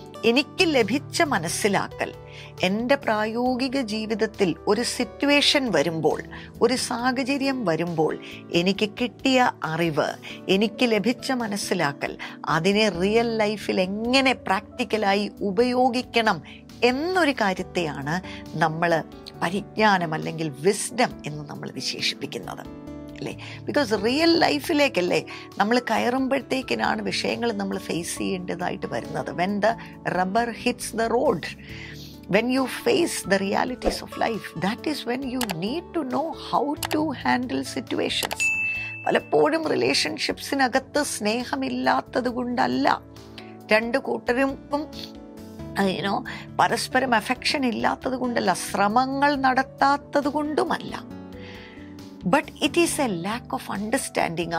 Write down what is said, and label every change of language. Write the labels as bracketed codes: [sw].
[ml] എനിക്ക് ലഭിച്ച മനസ്സിലാക്കൽ എൻ്റെ പ്രായോഗിക ജീവിതത്തിൽ ഒരു സിറ്റുവേഷൻ വരുമ്പോൾ, ഒരു സാഹചര്യം വരുമ്പോൾ എനിക്ക് കിട്ടിയ അറിവ്, എനിക്ക് ലഭിച്ച മനസ്സിലാക്കൽ, അതിനെ റിയൽ ലൈഫിൽ എങ്ങനെ പ്രാക്ടിക്കലായി ഉപയോഗിക്കണം എന്നൊരു കാര്യത്തെയാണ് നമ്മൾ പരിജ്ഞാനം അല്ലെങ്കിൽ വിസ്ഡം എന്ന് നമ്മൾ വിശേഷിപ്പിക്കുന്നത് അല്ലേ. ബിക്കോസ് റിയൽ ലൈഫിലേക്കല്ലേ നമ്മൾ കയറുമ്പോഴത്തേക്കിനാണ് വിഷയങ്ങൾ നമ്മൾ ഫേസ് ചെയ്യേണ്ടതായിട്ട് വരുന്നത്. [en] When the rubber hits the road, When you face the realities of life, that is when you need to know how to handle situations. [ml] പലപ്പോഴും റിലേഷൻഷിപ്സിനകത്ത് സ്നേഹമില്ലാത്തത് കൊണ്ടല്ല, രണ്ട് കൂട്ടരും യുനോ പരസ്പരം അഫക്ഷൻ ഇല്ലാത്തത് കൊണ്ടല്ല, ശ്രമങ്ങൾ നടത്താത്തത് കൊണ്ടുമല്ല. [en] But it is a lack of understanding.